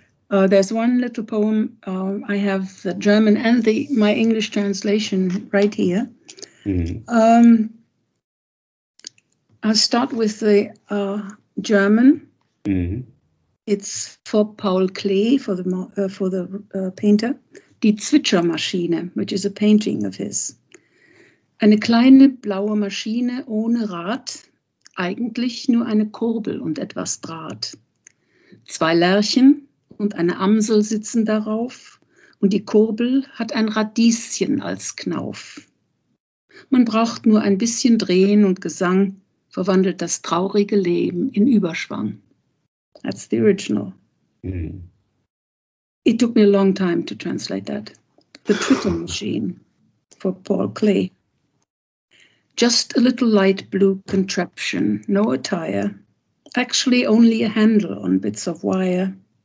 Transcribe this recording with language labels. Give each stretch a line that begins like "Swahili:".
English: There's one little poem I have, the German and my English translation right here. I'll start with the German. It's for Paul Klee, for the painter. Die Zwitschermaschine, which is a painting of his.
German: Eine kleine blaue Maschine ohne Rad, eigentlich nur eine Kurbel und etwas Draht. Zwei Lerchen und eine Amsel sitzen darauf und die Kurbel hat ein Radieschen als Knauf. Man braucht nur ein bisschen Drehen und Gesang, verwandelt das traurige Leben in Überschwang.
English: That's the original. It took me a long time to translate that. The Twitter machine for Paul Klee. Just a little light blue contraption, no attire, actually only a handle on bits of wire.